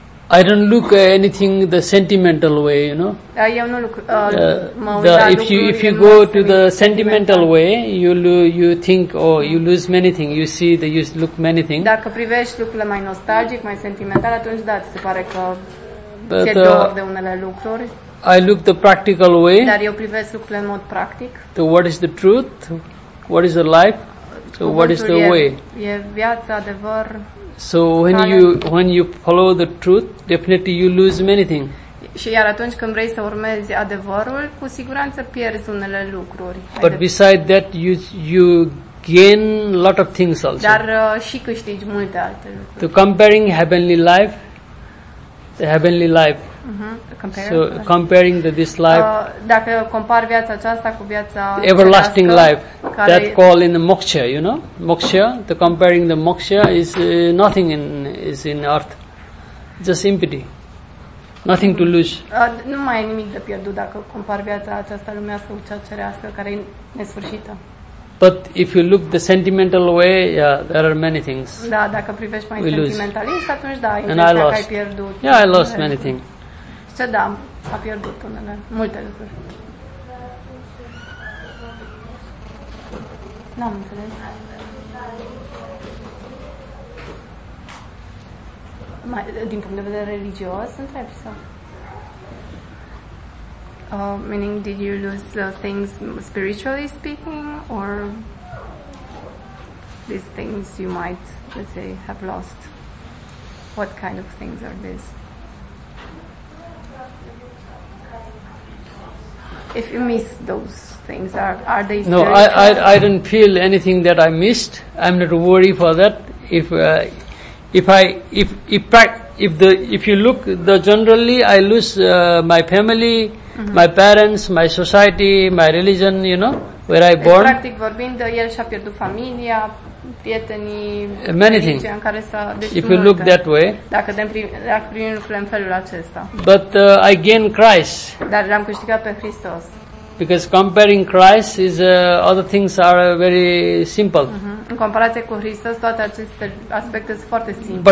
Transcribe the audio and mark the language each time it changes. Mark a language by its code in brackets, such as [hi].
[en] I don't look at anything the sentimental way, you know. If you go to the sentimental way, you think, oh, you lose many things. You see, you look many things. [ro] Dacă privești lucrurile mai nostalgic, mai sentimental, atunci da, ți se pare că ți-e dor de unele lucruri. [en] I look the practical way. [ro] Dar eu privesc lucrurile în mod practic. [en] So what is the truth? What is the life? So what is the way? [ro] E viața, adevăr. [en] So when you follow the truth, definitely you lose many things. [ro] Și iar atunci când vrei să urmezi adevărul, cu siguranță pierzi unele lucruri. [en] But beside that, you gain a lot of things also. [ro] Dar și câștigi multe alte lucruri. [en] So comparing heavenly life, the heavenly life. Uh-huh. So comparing this life, [ro] dacă compar viața aceasta cu viața [en] everlasting life, that call in the moksha, you know, moksha. The comparing the moksha is nothing in earth, just empty, nothing to lose. [ro] Nu mai e nimic de pierdut dacă compar viața aceasta lumească cu cea cerească care e nesfârșită. [en] But if you look the sentimental way, yeah, there are many things. [ro] Da, dacă privești mai sentimentalist, atunci da, e ceva care ai pierdut. [en] Yeah, I lost many things. [ro] Să da, a pierdut unele, multe lucruri. N-am înțeles. Din punct de vedere religios, întreb să... [en] Meaning, did you lose things spiritually speaking, or these things you might, let's say, have lost? What kind of things are these? If you miss those things, are they spiritual? No, I don't feel anything that I missed. I'm not worried for that. If you look the generally, I lose my family, mm-hmm. my parents, my society, my religion, you know, where I born. [ro] Practic vorbind, el și-a pierdut familia, prietenii, [en] many things. [ro] În care s-a, deci [en] if you look [ro] multe, [en] that way. [ro] Dacă primim lucrurile în felul acesta. [en] But I gain Christ. [ro] Dar l-am câștigat pe Hristos. [en] Because comparing Christ is other things are very simple. Uh-huh. [ro] În comparație cu Hristos, toate aceste aspecte sunt foarte simple.